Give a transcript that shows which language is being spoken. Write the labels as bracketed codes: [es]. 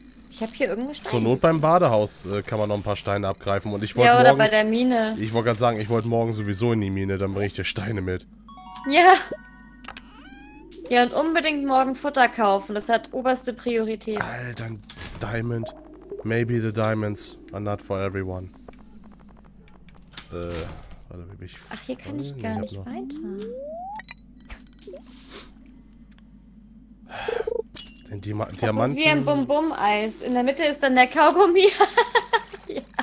[de] Ich habe hier irgendwo Steine. Zur Not beim Badehaus kann man noch ein paar Steine abgreifen. Und ich wollte ja, oder morgen, bei der Mine. Ich wollte gerade sagen, ich wollte morgen sowieso in die Mine, dann bringe ich dir Steine mit. Ja. Ja, und unbedingt morgen Futter kaufen. Das hat oberste Priorität. Alter, Diamond. [en] Maybe the diamonds are not for everyone. [de] Warte, wie bin ich. Ach, hier kann ich gar nicht weiter. Den Diamanten. Das ist wie ein Bum-Bum-Eis. In der Mitte ist dann der Kaugummi. Ja.